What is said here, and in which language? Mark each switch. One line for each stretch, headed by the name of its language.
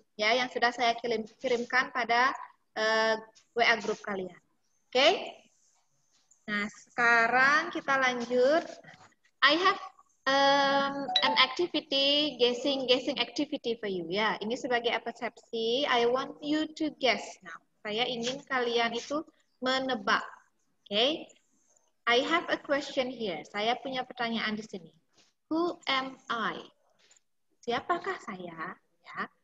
Indonesian: Ya, yang sudah saya kirimkan pada WA grup kalian. Oke? Okay? Nah, sekarang kita lanjut.
English: I have an activity, guessing activity for you.
Indonesian: Ya, ini sebagai persepsi.
English: I want you to guess now.
Indonesian: Saya ingin kalian itu menebak.
English: Oke. Okay? I have a question here.
Indonesian: Saya punya pertanyaan di sini.
English: Who am I?
Indonesian: Siapakah saya? Ya.